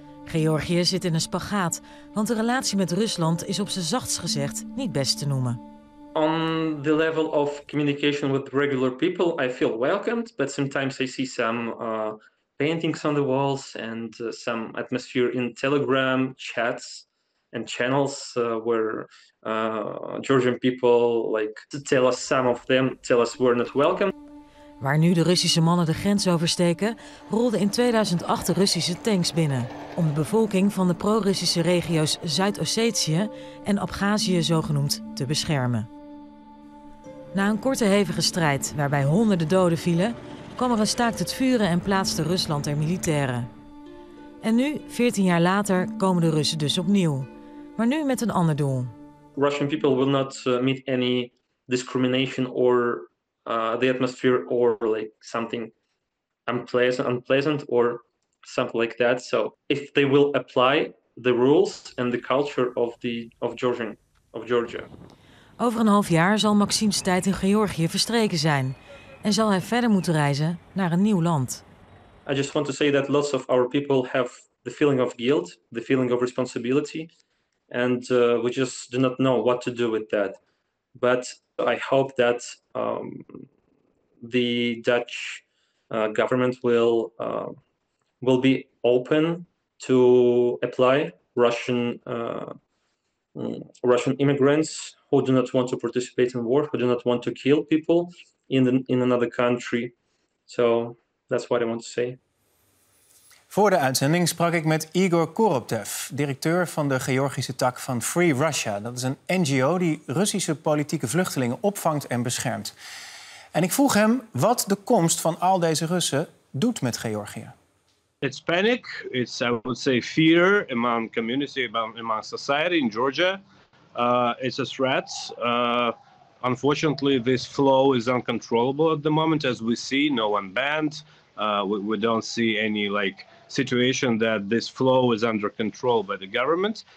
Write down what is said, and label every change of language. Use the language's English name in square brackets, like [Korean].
[Dutch] Georgië zit in een spagaat, want de relatie met Rusland is op zijn zachtst gezegd niet best te noemen. [English] On the level of communication with regular people, I feel welcomed, but sometimes I see some paintings on the walls and some atmosphere in Telegram chats and channels where Georgian people like to tell us some of them tell us we're not welcome. [Dutch] Waar nu de Russische mannen de grens oversteken, rolden in 2008 de Russische tanks binnen om de bevolking van de pro-Russische regio's Zuid-Ossetië en Abchazië zogenoemd te beschermen. Na een korte hevige strijd waarbij honderden doden vielen, kwam er een staakt het vuren en plaatste Rusland er militairen. En nu, 14 jaar later, komen de Russen dus opnieuw. Maar nu met een ander doel. [English] Russian people will not meet any discrimination or the atmosphere or like something unpleasant or something like that. So if they will apply the rules and the culture of Georgia. [Dutch] Over een half jaar zal Maxim's tijd in Georgië verstreken zijn en zal hij verder moeten reizen naar een nieuw land. [English] I just want to say that lots of our people have the feeling of guilt, the feeling of responsibility, and we just do not know what to do with that. But I hope that the Dutch government will be open to apply Russian immigrants who do not want to participate in war, who do not want to kill people in another country. So that's what I want to say. [Dutch] Voor de uitzending sprak ik met Igor Koroptev, directeur van de Georgische tak van Free Russia. Dat is een NGO die Russische politieke vluchtelingen opvangt en beschermt. En ik vroeg hem wat de komst van al deze Russen doet met Georgië. [English] It's panic. It's, I would say, fear among community, among society in Georgia. It's a threat. Unfortunately, this flow is uncontrollable at the moment, as we see. No one banned. We don't see any like situation that this flow is under control by the government.